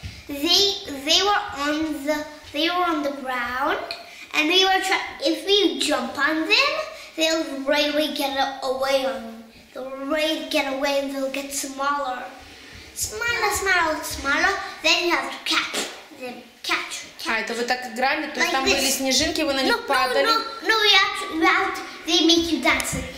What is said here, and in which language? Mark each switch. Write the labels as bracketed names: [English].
[English] They were on the ground and they were try if we jump on them, they'll right away get away on. They'll right get away and they'll get smaller. Smaller. Then you have to catch them. Catch. [Russian] А, это вы так играли, то есть [English] like [Russian] там [English] this. [Russian] Были снежинки, вы на них падали. [English] No, we have to, they make you dance.